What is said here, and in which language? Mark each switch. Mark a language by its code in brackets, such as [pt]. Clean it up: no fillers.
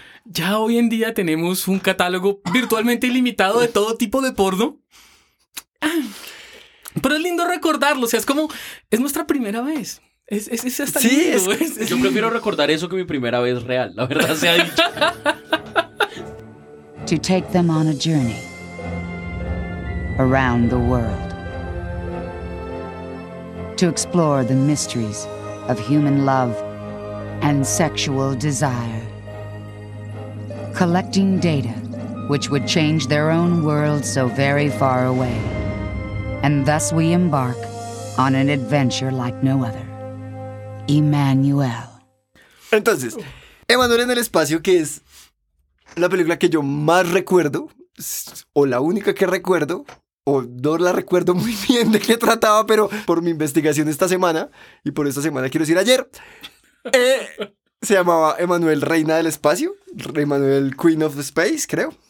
[es] Ya hoy en día tenemos un catálogo virtualmente ilimitado de todo tipo de porno. Pero es lindo recordarlo, o sea, es nuestra primera vez. Es hasta sí, lindo, es. Yo prefiero recordar eso que mi primera vez real, la verdad sea dicho. [en] To take them on a journey around the world. To explore the mysteries of human love and sexual desire. Collecting data which would change their own world so very far away. And thus we embark on an adventure like no other. Emmanuel. [es] Entonces, Emmanuel en el espacio, que es la película que yo más recuerdo, o la única que recuerdo, o no la recuerdo muy bien de qué trataba, pero por mi investigación esta semana, y por esta semana quiero decir ayer, se llamaba Emmanuel Reina del Espacio, Emmanuel Queen of Space, creo.